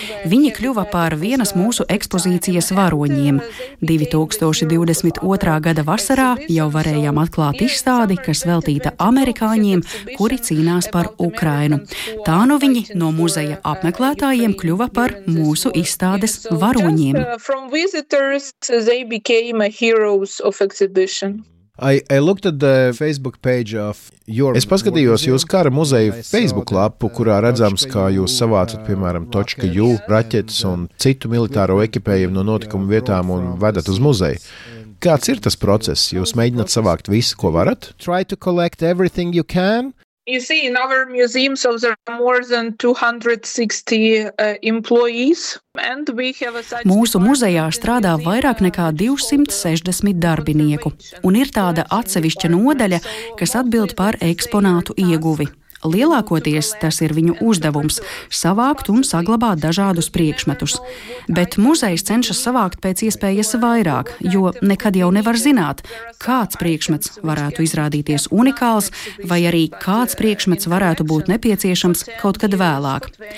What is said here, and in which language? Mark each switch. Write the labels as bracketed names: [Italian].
[Latvian] Viņi kļuva par vienas mūsu ekspozīcijas varoņiem. 2022. Gada vasarā jau varējām atklāt izstādi, kas veltīta amerikāņiem, kuri cīnās par Ukrainu. Tā nu viņi no muzeja apmeklētājiem kļuva par mūsu izstādes varoņiem. [English] From visitors they became heroes of exhibition. I looked at the Facebook page of your [Latvian] Es paskatījos jūsu kara muzeja Facebook lapu, kurā redzams, kā jūs savācat, piemēram, točka jū, raķetes un citu militāro ekipējumu no notikuma vietām un vedat uz muzeju. Kāds ir tas process? Jūs mēģināt savākt visu, ko varat? [English] Try to collect everything you can. You see, in our museum, so there are more than 260 employees. [Latvian] Mūsu muzejā strādā vairāk nekā 260 darbinieku, un ir tāda atsevišķa nodaļa, kas atbild par eksponātu ieguvi. Lielākoties tas ir viņu uzdevums – savākt un saglabāt dažādus priekšmetus. Bet muzejs cenšas savākt pēc iespējas vairāk, jo nekad jau nevar zināt, kāds priekšmets varētu izrādīties unikāls vai arī kāds priekšmets varētu būt nepieciešams kaut kad vēlāk.